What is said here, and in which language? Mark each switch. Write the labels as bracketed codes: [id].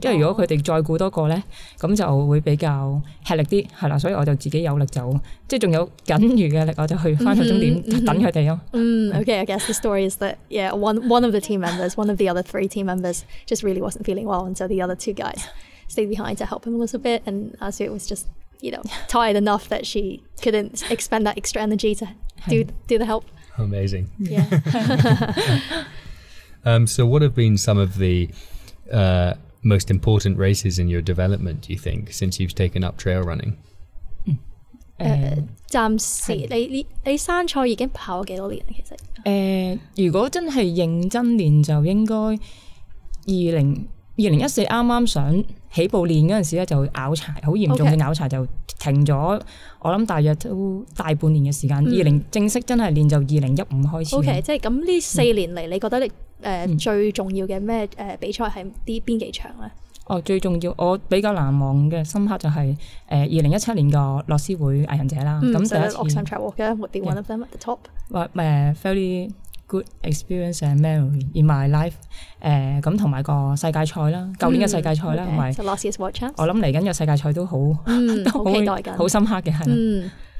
[yue] 因為如果佢哋再顧多個咧，咁就會比較吃力啲係啦，所以我就自己有力走，即係仲有僅餘嘅力，我就去翻去終點、等佢哋咯。 [en] Okay, I guess the story is that yeah, one of the team members, one of the other three team members, just really wasn't feeling well, and so the other two guys. Stay behind to help him a little bit, and Ing-suet was just, you know, tired enough that she couldn't expend that extra energy to do the help. Amazing. Yeah. So, what have been some of the most important races in your development? Do you think since you've taken up trail running? [yue] 暫時你山賽已經跑幾多年啦？其實如果真係認真練，就應該2014啱啱上。起步練嗰陣時咧就拗柴，好嚴重嘅拗柴就停咗。 [en] Okay. [yue] 我諗大約都大半年嘅時間。正式真係練就2015開始。 O K， 即係咁呢四年嚟，你覺得你最重要嘅咩比賽係啲邊幾場咧？哦，最重要我比較難忘嘅深刻就係2017年個洛斯會藝人者啦。咁、第一次。 [en] Oxen Trail Walker would be one of them at the top. What fairly good experience and memory in my life. [yue] 咁同埋個世界賽啦，舊年嘅世界賽啦，同埋 [en] so last year's World Champs。 [yue] 我諗嚟緊嘅世界賽都好，都好期待緊，好深刻嘅係。